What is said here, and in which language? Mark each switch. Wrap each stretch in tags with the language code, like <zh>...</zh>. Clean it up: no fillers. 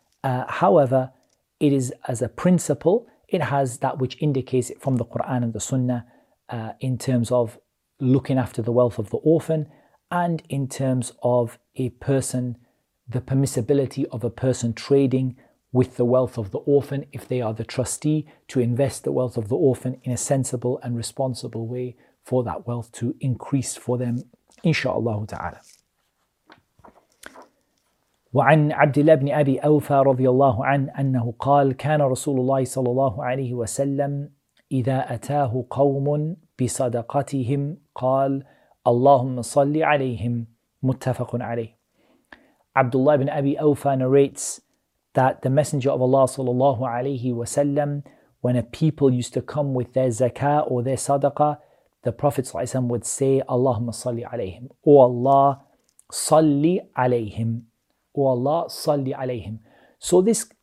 <en>However, it is as a principle, it has that which indicates it from the Quran and the Sunnah in terms of looking after the wealth of the orphan, and in terms of a person, the permissibility of a person trading with the wealth of the orphan if they are the trustee, to invest the wealth of the orphan in a sensible and responsible way for that wealth to increase for them, inshallah ta'ala.</en> <ar>وعن عبد الله بن أبي أوفى رضي الله عنه أنه قال كان رسول الله صلى الله عليه وسلم إذا أتاه قوم بصدقتهم قال اللهم صل عليهم. متفق عليه.</ar> <en>عبد الله بن أبي أوفى narrates that the Messenger of Allah صلى الله عليه وسلم, when a people used to come with their zakah or their sadaqah, the Prophet صلى الله عليه وسلم would say</en> <ar>اللهم صل عليهم, أو الله صل عليهم.</ar> <en>Oh Allah, salli alayhim. So this</en>